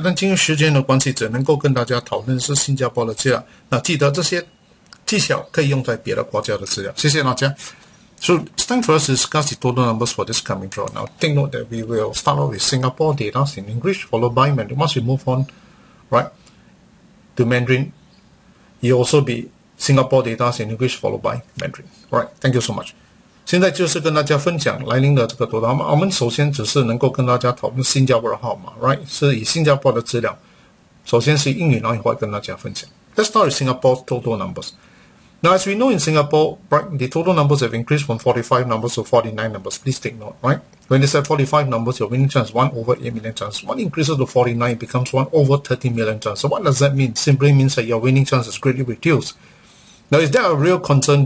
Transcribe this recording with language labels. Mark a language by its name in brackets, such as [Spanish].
[Chinese] 但基于时间的关系，只能够跟大家讨论是新加坡的价。那记得这些技巧可以用在别的国家的资料。谢谢大家。 [English] So it's time for us to discuss the total numbers for this coming draw. Now take note that we will start off with Singapore data in English, followed by Mandarin. Once we move on, right, to Mandarin, you also be Singapore data in English, followed by Mandarin. Right, thank you so much. [Chinese] 现在就是跟大家分享来临的这个多单。我们首先只是能够跟大家讨论新加坡的号码 ，right？是以新加坡的资料，首先是英语，然后会跟大家分享。 [English] Let's start with Singapore total numbers. Now, as we know in Singapore, right, the total numbers have increased from 45 numbers to 49 numbers. Please take note, right? When they said 45 numbers, your winning chance is 1 over 8 million chance. What increases to 49 becomes 1 over 30 million chance. So what does that mean? Simply means that your winning chance is greatly reduced. Now, is that a real concern?